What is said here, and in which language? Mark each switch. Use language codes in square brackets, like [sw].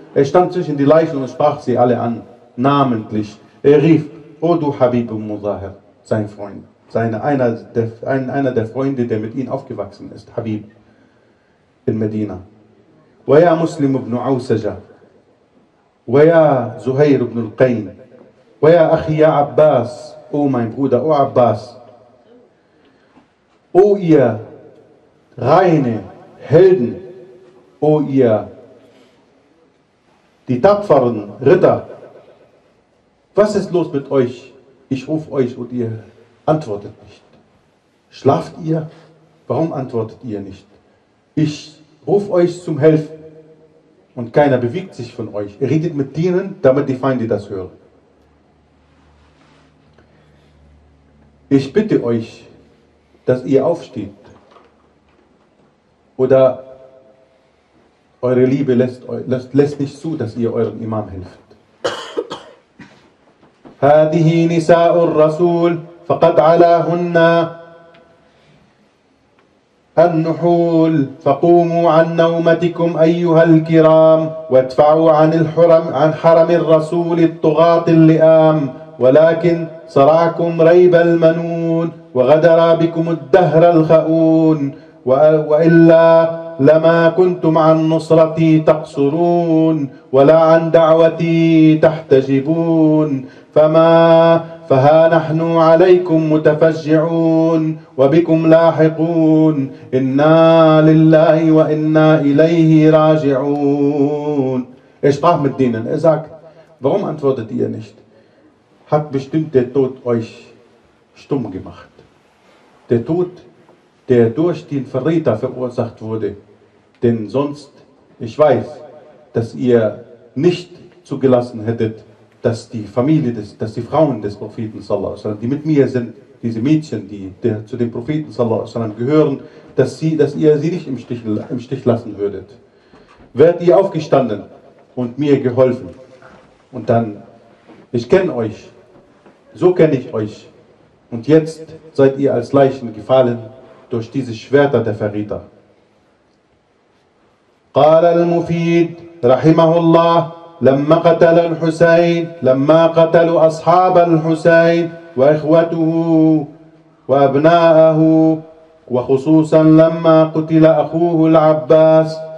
[de] Er stand zwischen die Leichen und sprach sie alle an, namentlich. Er rief, O du Habib Muzahir, sein Freund, einer der Freunde, der mit ihm aufgewachsen ist, Habib in Medina. [ar] ويا مسلم بن عوسجة ويا زهير بن القين ويا أخي يا عباس. [de] O mein Bruder, O Abbas, O ihr reine Helden, O ihr die tapferen Ritter, was ist los mit euch? Ich rufe euch und ihr antwortet nicht. Schlaft ihr? Warum antwortet ihr nicht? Ich rufe euch zum Helfen und keiner bewegt sich von euch. Ihr redet mit denen, damit die Feinde das hören. Ich bitte euch, dass ihr aufsteht oder eure Liebe lässt nicht zu, dass ihr eurem Imam helft. [ar] هذه نساء الرسول فقد علاهن النحول فقوموا عن نومتكم أيها الكرام وادفعوا عن حرم الرسول الطغاة اللئام ولكن صرعكم ريب المنون وغدر بكم الدهر الخؤون وإلا لما كنتم عن نصرتي تقصرون ولا عن دعوتي تحتجبون فما فها نحن عليكم متفجعون وبكم لاحقون إنا لله وإنا إليه راجعون. [de] Er sprach mit denen. Er sagt, warum antwortet ihr nicht? Hat bestimmt der Tod euch stumm gemacht. Der Tod, der durch den Verräter verursacht wurde. Denn sonst, ich weiß, dass ihr nicht zugelassen hättet, dass die Frauen des Propheten, die mit mir sind, diese Mädchen, die der, zu dem Propheten sallallahu alaihi wasallam gehören, dass ihr sie nicht im Stich lassen würdet. Werdet ihr aufgestanden und mir geholfen. Und dann, ich kenne euch, so kenne ich euch. Und jetzt seid ihr als Leichen gefallen durch diese Schwerter der Verräter. [ar] قال المفيد رحمه الله لما قتل الحسين لما قتلوا أصحاب الحسين وإخوته وأبناءه وخصوصا لما قتل أخوه العباس